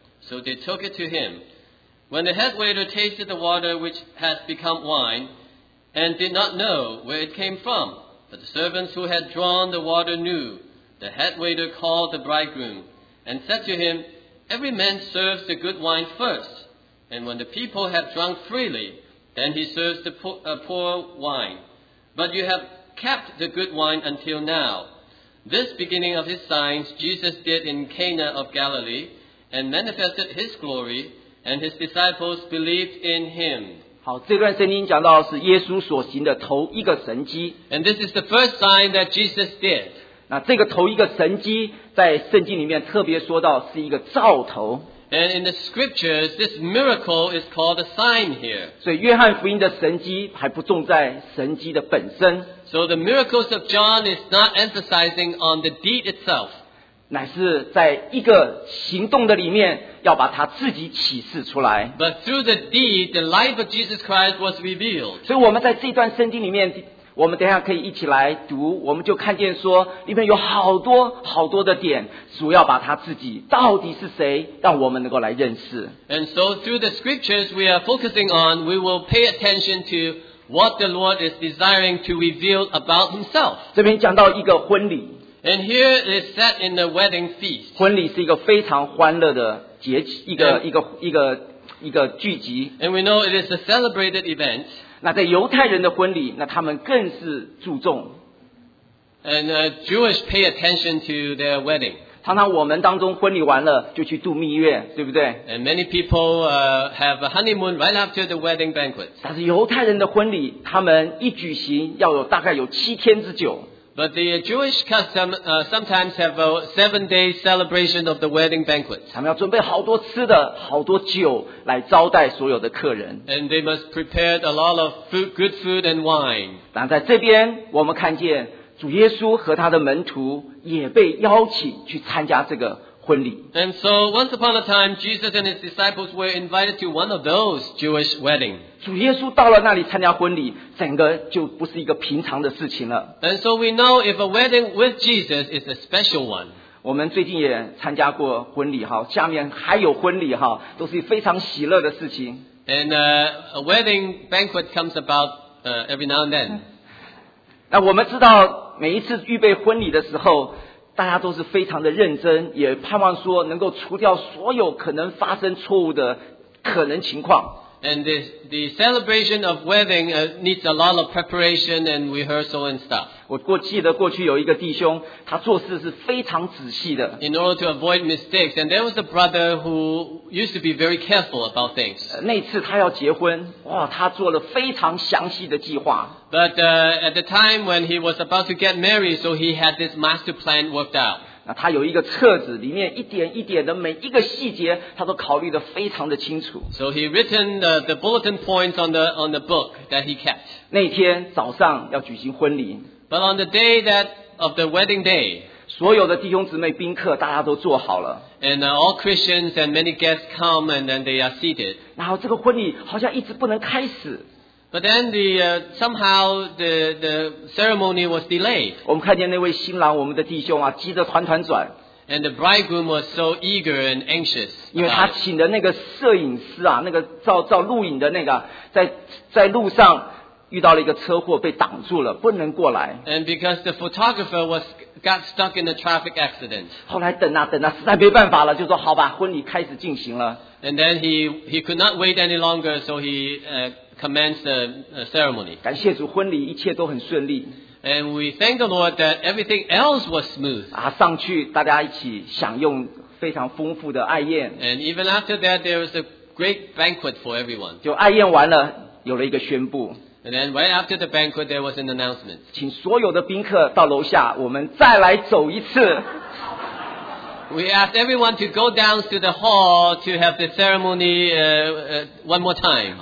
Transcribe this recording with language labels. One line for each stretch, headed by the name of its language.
English: So they took it to him. When the head waiter tasted the water which had become wine and did not know where it came from, but the servants who had drawn the water knew, the head waiter called the bridegroom and said to him, "Every man serves the good wine first, and when the people have drunk freely, then he serves the poor wine. But you have kept the good wine until now." This beginning of his signs Jesus did in Cana of Galilee and manifested his glory, and his disciples believed in him.
Chinese: 好，这段圣经讲到是耶稣所行的头一个神迹。
English: And this is the first sign that Jesus did.
Chinese: 那这个头一个神迹在圣经里面特别说到是一个兆头。
English: And in the scriptures, this miracle is called a sign here.
Chinese: 所以约翰福音的神迹还不重在神迹的本身。
English: So the miracles of John is not emphasizing on the deed itself.
Chinese: 乃是在一个行动的里面要把他自己启示出来。
English: But through the deed, the life of Jesus Christ was revealed.
Chinese: 所以我们在这段圣经里面，我们等一下可以一起来读，我们就看见说里面有好多好多的点，主要把他自己到底是谁，让我们能够来认识。
English: And so through the scriptures we are focusing on, we will pay attention to what the Lord is desiring to reveal about himself.
Chinese: 这边讲到一个婚礼。
English: And here it is set in the wedding feast.
Chinese: 婚礼是一个非常欢乐的节，一个聚集。
English: And we know it is a celebrated event.
Chinese: 那在犹太人的婚礼，那他们更是注重。
English: And Jewish pay attention to their wedding.
Chinese: 常常我们当中婚礼完了就去度蜜月，对不对？
English: And many people have a honeymoon right after the wedding banquet.
Chinese: 但是犹太人的婚礼，他们一举行要有大概有七天之久。
English: But the Jewish custom sometimes have a 7-day celebration of the wedding banquet.
Chinese: 他们要准备好多吃的，好多酒来招待所有的客人。
English: And they must prepare a lot of food, good food and wine.
Chinese: 但在这边，我们看见主耶稣和他的门徒也被邀请去参加这个婚礼。
English: And so once upon a time, Jesus and his disciples were invited to one of those Jewish weddings.
Chinese: 主耶稣到了那里参加婚礼，整个就不是一个平常的事情了。
English: And so we know if a wedding with Jesus is a special one.
Chinese: 我们最近也参加过婚礼，下面还有婚礼，都是非常喜乐的事情。
English: And a wedding banquet comes about every now and then.
Chinese: 那我们知道每一次预备婚礼的时候，大家都是非常的认真，也盼望说能够除掉所有可能发生错误的可能情况。
English: And the celebration of wedding needs a lot of preparation and rehearsal and stuff.
Chinese: 我记得过去有一个弟兄，他做事是非常仔细的。
English: In order to avoid mistakes, and there was a brother who used to be very careful about things.
Chinese: 那次他要结婚，哇，他做了非常详细的计划。
English: But at the time when he was about to get married, so he had this master plan worked out.
Chinese: 那他有一个册子，里面一点一点的每一个细节，他都考虑得非常的清楚。
English: So he written the bulletin points on the book that he kept.
Chinese: 那天早上要举行婚礼。
English: But on the day that of the wedding day,
Chinese: 所有的弟兄姊妹宾客大家都坐好了。
English: And all Christians and many guests come and then they are seated.
Chinese: 然后这个婚礼好像一直不能开始。
English: But then somehow the ceremony was delayed.
Chinese: 我们看见那位新郎，我们的弟兄啊，急得团团转。
English: And the bridegroom was so eager and anxious.
Chinese: 因为他请的那个摄影师啊，那个照录影的那个，在路上遇到了一个车祸，被挡住了，不能过来。
English: And because the photographer got stuck in a traffic accident.
Chinese: 后来等啊等啊，实在没办法了，就说好吧，婚礼开始进行了。
English: And then he could not wait any longer, so he commence the ceremony.
Chinese: 感谢主，婚礼一切都很顺利。
English: And we thank the Lord that everything else was smooth.
Chinese: 啊，上去大家一起享用非常丰富的爱宴。
English: And even after that, there was a great banquet for everyone.
Chinese: 就爱宴完了，有了一个宣布。
English: And then right after the banquet, there was an announcement.
Chinese: 请所有的宾客到楼下，我们再来走一次。
English: We asked everyone to go down to the hall to have the ceremony one more time.